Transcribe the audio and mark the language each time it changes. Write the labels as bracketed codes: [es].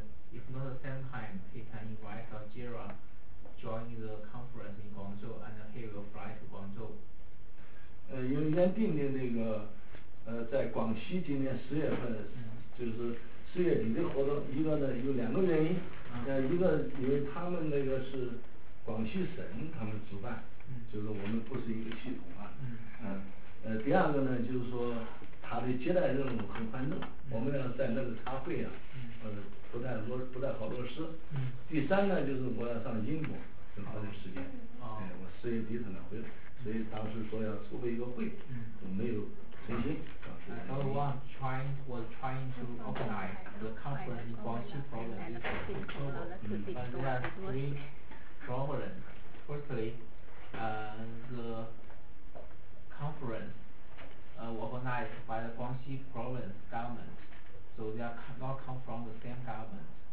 [en] If not the same time, he can invite Jira join the conference in Guangzhou, and he will fly to Guangzhou. [zh] 因为原定的那个在广西今年十月份，就是十月底的活动，一个呢有两个原因，一个因为他们那个是广西省他们主办，就是我们不是一个系统啊，第二个呢，就是说他的接待任务很繁重，我们俩在那个茶会啊，不太好落实。第三个就是我要上英国，很快的时间，我四月底才能回来，所以当时说要筹备一个会，就没有成行。 [en] I was trying to organize the conference in Guangxi province this year in October, but there are three problems. Firstly, the conference organized by the Guangxi province government, so they are not come from the same government.